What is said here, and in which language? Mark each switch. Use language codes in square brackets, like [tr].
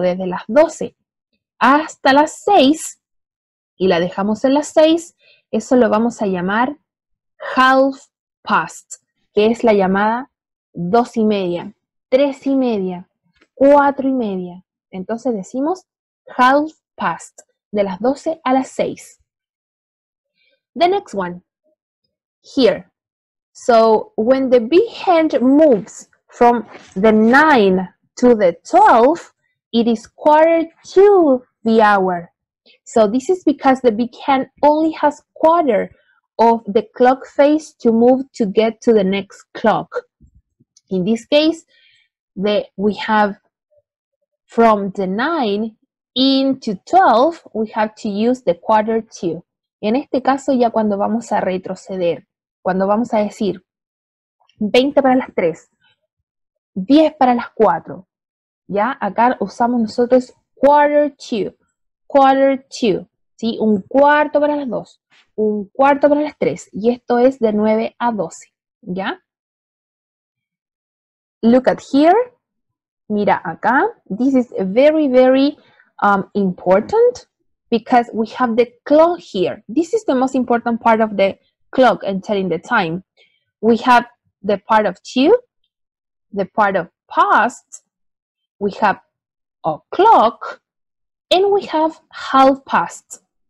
[es] Desde las 12 hasta las 6, y la dejamos en las 6, eso lo vamos a llamar [en] half past, [es] que es la llamada 2:30, 3:30, 4:30. Entonces decimos [en] half past, [es] de las 12 a las 6. [en] The next one, here. So, when the big hand moves from the 9 to the 12, it is quarter to the hour. So, this is because the big hand only has quarter of the clock face to move to get to the next clock. In this case, we have from the 9 into 12, we have to use the quarter to. [es] En este caso, ya cuando vamos a retroceder, cuando vamos a decir 20 para las 3, 10 para las 4, ¿ya? Acá usamos nosotros [en] quarter to, quarter to, [es] ¿sí? Un cuarto para las 2, un cuarto para las 3, y esto es de 9 a 12, ¿ya? [en] Look at here, [es] mira acá, [en] this is very, very important, because we have the clock here. This is the most important part of the clock and telling the time. We have the part of two, the part of past, we have a clock, and we have half past.